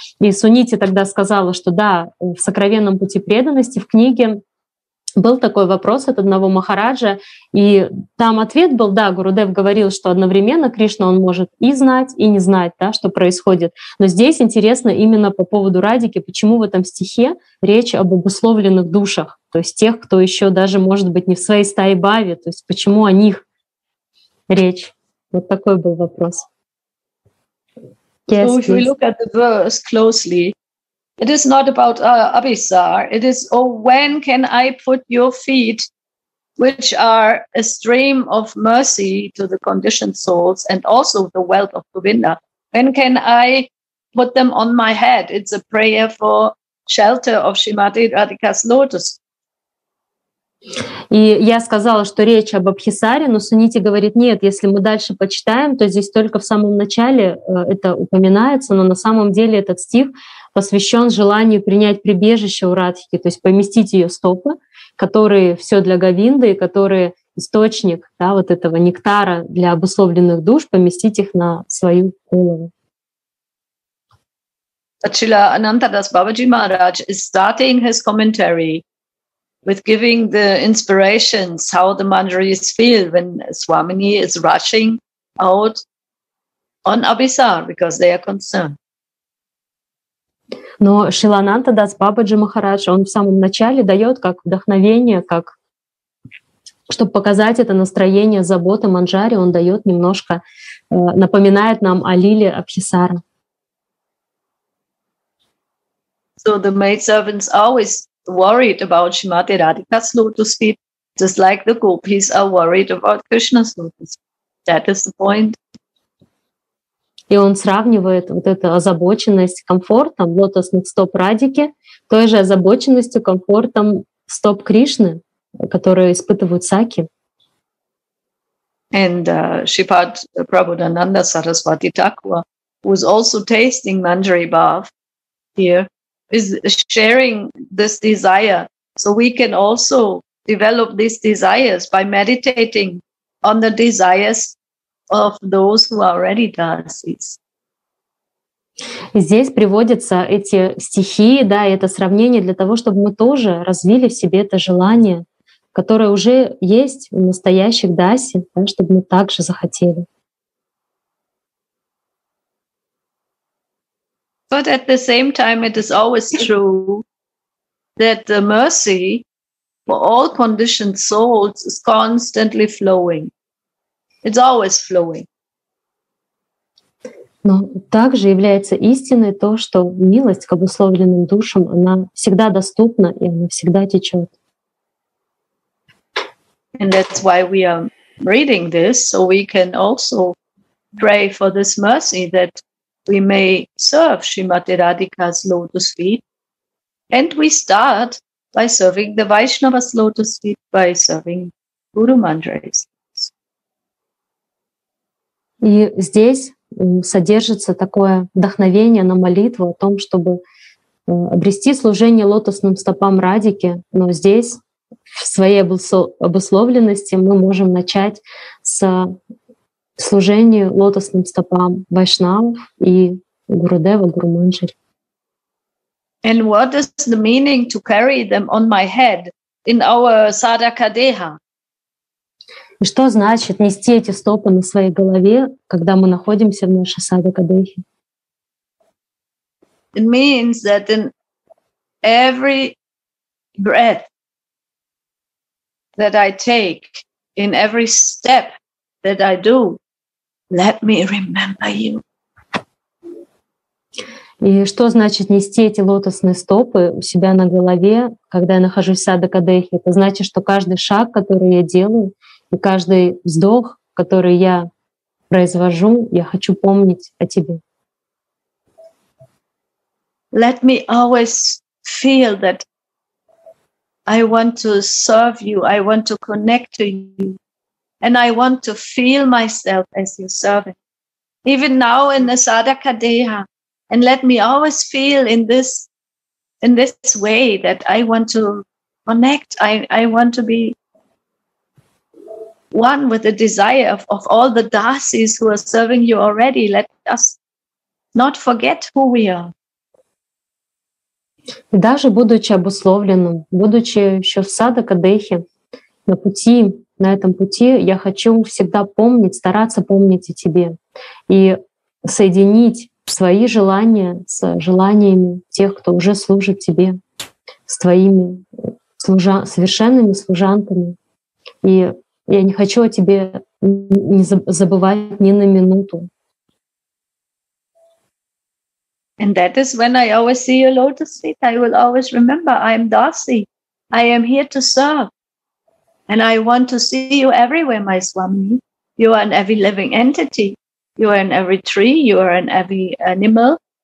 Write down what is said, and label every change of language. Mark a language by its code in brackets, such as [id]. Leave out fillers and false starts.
[ru] И Сунити тогда сказала, что да, в «Сокровенном пути преданности» в книге был такой вопрос от одного махараджа, и там ответ был, да, Гурудев говорил, что одновременно Кришна он может и знать, и не знать, да, что происходит. Но здесь интересно именно по поводу Радики, почему в этом стихе речь об обусловленных душах, то есть тех, кто еще даже, может быть, не в своей стае бави, то есть почему о них речь. Вот такой был вопрос. [en] Yes, so if we look at the verse closely, it is not about Abhisar. It is, when can I put your feet, which are a stream of mercy to the conditioned souls and also the wealth of Govinda, when can I put them on my head? It's a prayer for shelter of Shrimati Radhika's lotus. [ru] И я сказала, что речь об Абхисаре, но Сунити говорит, нет, если мы дальше почитаем, то здесь только в самом начале это упоминается, но на самом деле этот стих посвящен желанию принять прибежище у Радхики, то есть поместить ее стопы, которые все для Говинды, которые источник, да, вот этого нектара для обусловленных душ, поместить их на свою голову. [en] Ачила Анантадас Бабаджи Махарадж is starting his commentary with giving the inspirations how the Manjaris feel when Swamini is rushing out on Abhisar because they are concerned. [ru] Но Шрила Анантадас Бабаджи Махарадж, он в самом начале дает как вдохновение, как чтобы показать это настроение заботы Манджари, он дает немножко, напоминает нам о лиле Абхисара. [en] So the maidservants always worried about Shrimati Radhika's lotus feet, just like the gopis are worried about Krishna's lotus feet. That is the point. [ru] И он сравнивает вот эту озабоченность комфортом лотосных стоп Радики той же озабоченностью комфортом стоп Кришны, которую испытывают саки. [en] And Shripad Prabhudananda Saraswati Thakur, who is also tasting manjari bhav here, is sharing this desire. So we can also develop these desires by meditating on the desires of those who are already dasis. [ru] Здесь приводятся эти стихи, да, и это сравнение для того, чтобы мы тоже развили в себе это желание, которое уже есть у настоящих даси, да, чтобы мы также захотели. [en] But at the same time, it is always true that the mercy for all conditioned souls is constantly flowing. It's always flowing. [ru] Но также является истиной то, что милость к обусловленным душам, она всегда доступна и она всегда течет. [en] And that's why we are reading this, so we can also pray for this mercy that we may serve Shrimati Radhika's lotus feet. And we start by serving the Vaishnava's lotus feet, by serving Guru Manjari's. [ru] И здесь содержится такое вдохновение на молитву о том, чтобы обрести служение лотосным стопам Радики. Но здесь, в своей обусловленности, мы можем начать с служения лотосным стопам Вайшнав и Гурудева, Гуру Манджари. [en] And what is the meaning to carry them on my head in our sadaka deha? [ru] И что значит нести эти стопы на своей голове, когда мы находимся в нашей садакадехе? [en] It means that in every breath that I take, in every step that I do, let me remember you. [ru] И что значит нести эти лотосные стопы у себя на голове, когда я нахожусь в садакадехе? Это значит, что каждый шаг, который я делаю, и каждый вздох, который я произвожу, я хочу помнить о тебе. [en] Let me always feel that I want to serve you, I want to connect to you, and I want to feel myself as your servant. Even now in the Sadakadeha, and let me always feel in this way that I want to connect, I want to be one with the desire of all the Dasis who are serving you already. Let us not forget who we are. [ru] И даже будучи обусловленным, будучи еще в садакадехе, на пути, на этом пути, я хочу всегда помнить, стараться помнить о тебе и соединить свои желания с желаниями тех, кто уже служит тебе, с твоими совершенными служанками. И я не хочу о тебе не забывать ни на минуту. [en] And that is when I always see your lotus feet. I will always remember I am Dasi. I am here to serve. And I want to see you everywhere, my Swami. You are in every living entity. You are in every tree. You are in every animal.